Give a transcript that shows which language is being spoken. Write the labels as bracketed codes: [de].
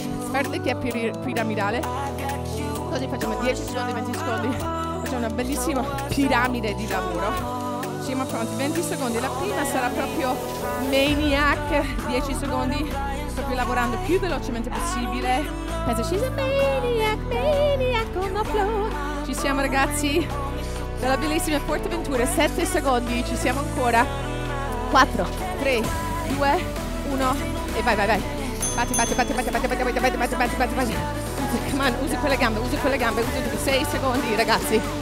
[it] Fartlek è piramidale. Così facciamo 10 secondi, 20 secondi. Facciamo una bellissima piramide di lavoro. Siamo pronti, 20 secondi. La prima sarà proprio maniac, 10 secondi. Proprio lavorando più velocemente possibile. Penso, [en] she's a maniac, maniac on the floor. [it] Ci siamo ragazzi, dalla bellissima Fuerteventura, 7 secondi, ci siamo ancora. 4, 3, 2, 1, e vai, vai, vai. Batti, batti, batti, batti, batti, batti, batti, batti, batti, batti, batti, batti. [en] Come on, [it] usi quelle gambe, usi quelle gambe, usi 6 secondi, ragazzi.